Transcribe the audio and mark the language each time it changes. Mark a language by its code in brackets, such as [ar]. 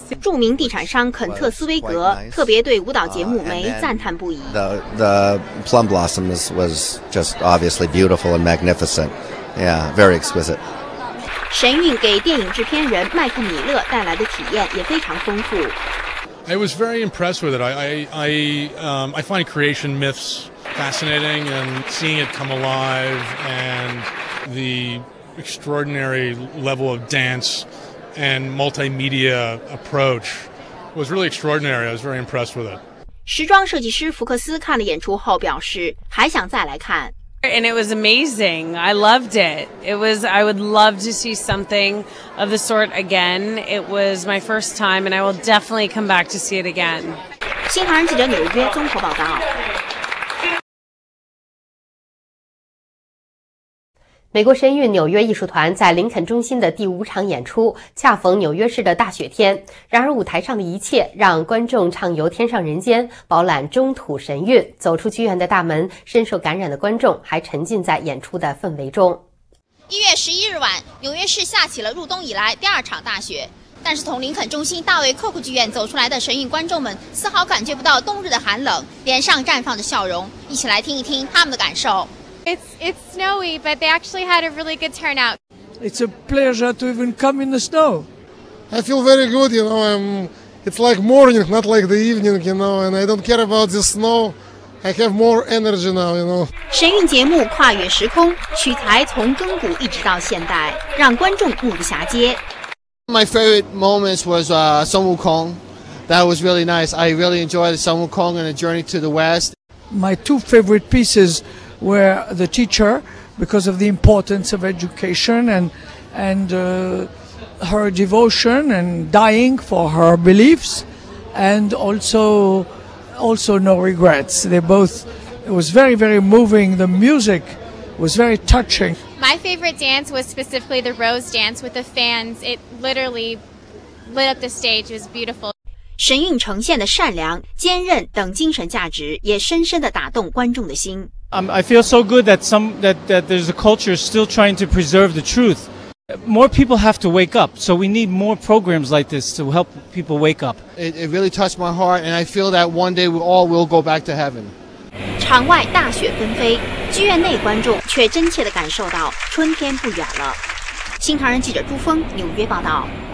[zh] 著名地产商肯特斯威格特别对舞蹈节目梅赞叹不已。 [en] The plum blossom was just obviously beautiful and magnificent. Yeah, very exquisite. [zh] 神韵给电影制片人麦克米勒带来的体验也非常丰富。 [en] I was very impressed with it. I find creation myths fascinating, and seeing it come alive, and the extraordinary level of dance and multimedia approach was really extraordinary. I was very impressed with it. [zh] 时装设计师福克斯看了演出后表示，还想再来看。 [en] And it was amazing. I loved it. I would love to see something of the sort again. It was my first time, and I will definitely come back to see it again. [zh] 新唐人记者纽约综合报道。美国神韵纽约艺术团在林肯中心的第五场演出恰逢纽约市的大雪天，然而舞台上的一切让观众畅游天上人间，饱览中土神韵。走出剧院的大门，深受感染的观众还沉浸在演出的氛围中。 1月11日晚，纽约市下起了入冬以来第二场大雪，但是从林肯中心大卫寇克剧院走出来的神韵观众们丝毫感觉不到冬日的寒冷，脸上绽放着笑容。一起来听一听他们的感受。 [en] It's snowy, but they actually had a really good turnout. It's a pleasure to even come in the snow. I feel very good, you know. It's like morning, not like the evening, you know. And I don't care about the snow. I have more energy now, you know. [zh] 神韵节目跨越时空，取材从亘古一直到现代，让观众目不暇接。 [en] My favorite moments was Sun Wukong. That was really nice. I really enjoyed Sun Wukong and the Journey to the West. My two favorite pieces. Where the teacher, because of the importance of education and her devotion and dying for her beliefs, and also no regrets. They both, it was very, very moving. The music was very touching. My favorite dance was specifically the rose dance with the fans. It literally lit up the stage. It was beautiful. [zh] 神韵呈现的善良、坚韧等精神价值也深深地打动观众的心。 [en] I feel so good that there's a culture still trying to preserve the truth. More people have to wake up, so we need more programs like this to help people wake up. It really touched my heart, and I feel that one day we all will go back to heaven. [zh] 场外大雪纷飞，剧院内观众却真切地感受到春天不远了。新唐人记者朱峰纽约报道。